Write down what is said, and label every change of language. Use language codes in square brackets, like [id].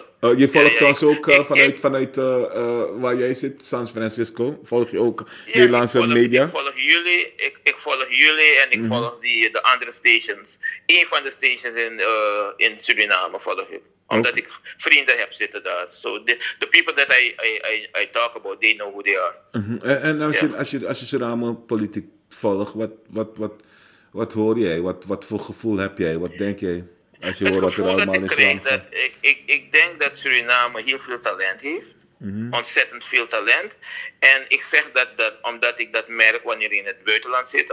[nl] hoor. Je volgt ons ook vanuit waar jij zit, San Francisco. Volg je ook Nederlandse media? Ik volg jullie en ik volg de andere stations. Een van de stations in Suriname volg ik. Omdat ik vrienden heb zitten daar. [en] So the people that I talk about, they know who they are. Mm-hmm. [nl] En als je Suriname politiek volgt, wat hoor jij? Wat voor gevoel heb jij? Wat denk jij? Als je hoort wat er allemaal is. Ik denk dat Suriname heel veel talent heeft. Mm-hmm. Ontzettend veel talent. En ik zeg dat omdat ik dat merk wanneer ik in het buitenland zit.